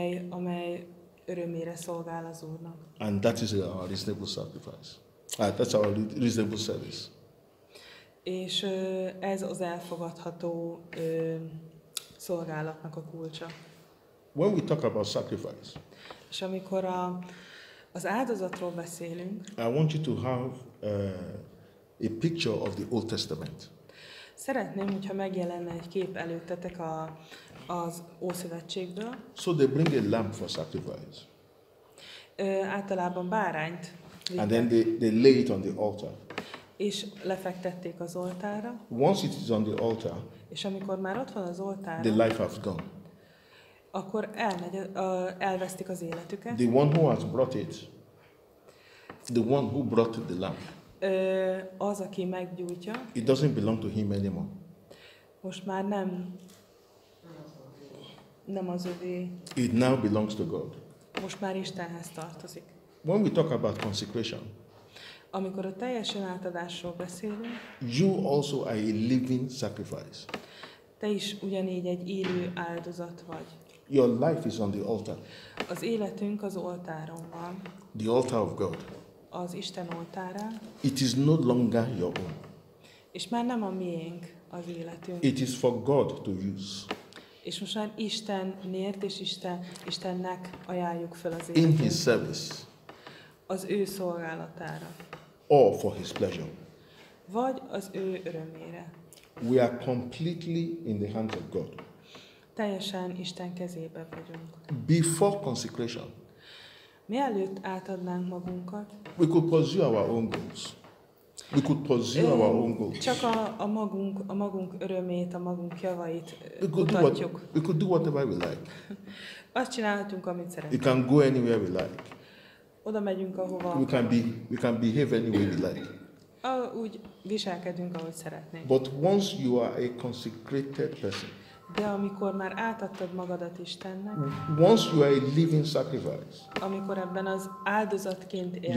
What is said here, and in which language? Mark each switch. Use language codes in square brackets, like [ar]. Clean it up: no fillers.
[hu] Amely örömére szolgál az Úrnak. [en] And that is our reasonable sacrifice. That's our reasonable service. [hu] És ez az elfogadható szolgálatnak a kulcsa. [en] When we talk about sacrifice. [hu] És amikor a Az áldozatról beszélünk. [en] I want you to have a picture of the Old Testament. [hu] Szeretném, hogyha megjelenne egy kép előttetek az Ószövetségből. [en] So they bring a lamb for sacrifice. [hu] Általában bárányt. [en] And then they lay it on the altar. [hu] És lefektették az oltára. [en] Once it is on the altar. [hu] És amikor már ott van az oltáron. [en] The life has gone. [hu] Akkor elvesztik az életüket. [en] The one who has brought it. The one who brought the lamb. [hu] Az, aki meggyújtja. [en] It doesn't belong to him anymore. [hu] Most már nem az övé. [en] It now belongs to God. [hu] Most már Istenhez tartozik. [en] When we talk about consecration. [hu] Amikor a teljesen átadásról beszélünk. [en] You also are a living sacrifice. [hu] Te is ugyanígy egy élő áldozat vagy. [en] Your life is on the altar. [hu] Az életünk az oltáron van. [en] The altar of God. [hu] Az Isten oltára. [en] It is no longer your own. [hu] És már nem a miénk az életünk. [en] It is for God to use. [hu] És most már Istenért és Istennek ajánljuk fel az életünk. [en] In His service. [hu] Az ő szolgálatára. [en] Or for His pleasure. [hu] Vagy az ő örömére. [en] We are completely in the hands of God. [hu] Teljesen Isten kezébe vagyunk. [en] Before consecration. [hu] Mielőtt átadnánk magunkat. [en] We could pursue our own goals. We could pursue our own goals. [hu] Csak a magunk örömét, a magunk javait mutatjuk. [en] We could do whatever we like. [hu] Azt csinálhatunk, amit szeretnénk. [en] We can go anywhere we like. [hu] Oda megyünk, ahova. [en] We can behave any way we like. [hu] Úgy viselkedünk, ahogy szeretnénk. [en] But once you are a consecrated person. [hu] De amikor már átadtad magadat Istennek, [en] once you are a living sacrifice, [hu] amikor ebben az áldozatként élsz,